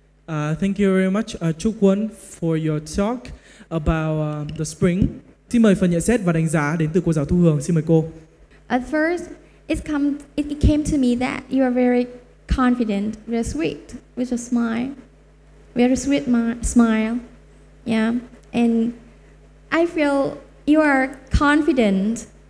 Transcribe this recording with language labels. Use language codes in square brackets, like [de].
[en] Thank you very much, Chúc Quân, for your talk about the spring. [vi] Xin mời phần nhận xét và đánh giá đến từ cô giáo Thu Hương. Xin mời cô. [en] At first, it came to me that you are very confident, very sweet, with a smile, very sweet smile, yeah. And I feel you are confident